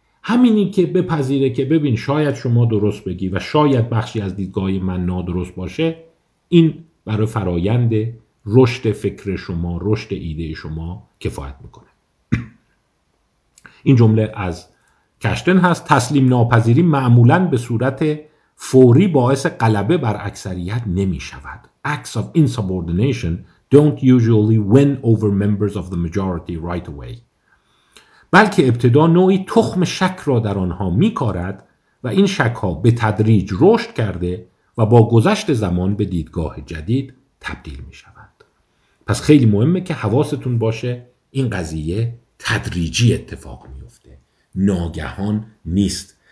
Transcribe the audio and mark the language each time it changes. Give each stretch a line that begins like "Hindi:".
Persian: همینی که بپذیره که ببین شاید شما درست بگی و شاید بخشی از دیدگاه من نادرست باشه، این برای فرایند رشد فکر شما، رشد ایده شما کفایت میکنه. این جمله از کشتن هست: تسلیم ناپذیری معمولاً به صورت فوری باعث غلبه بر اکثریت نمی شود.
English: Acts of insubordination don't usually win over members of the majority right away.
Persian: بلکه ابتدا نوعی تخم شک را در آنها می کارد و این شک ها به تدریج رشد کرده و با گذشت زمان به دیدگاه جدید تبدیل می شود. پس خیلی مهمه که حواستون باشه این قضیه تدریجی اتفاق می افته، ناگهان نیست.